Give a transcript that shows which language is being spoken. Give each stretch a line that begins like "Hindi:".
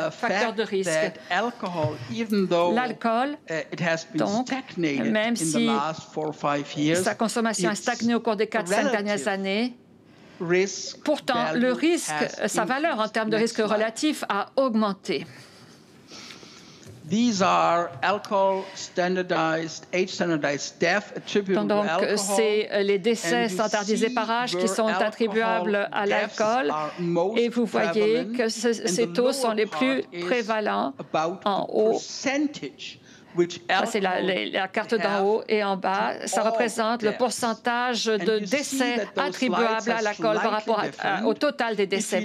French: Facteur de risque. L'alcool, donc, même si sa consommation a stagné au cours des 4-5 dernières années, pourtant, le risque, sa valeur en termes de risque relatif a augmenté.
English: These are alcohol standardized, age standardized death attributable to
French: donc,
English: alcohol.
French: C'est les décès standardisés par âge qui sont attribuables à l'alcool. Et vous voyez que ces taux sont les plus prévalents en haut. Ça, c'est la carte d'en haut et en bas. Ça représente le pourcentage de décès attribuables à l'alcool par rapport au total des décès.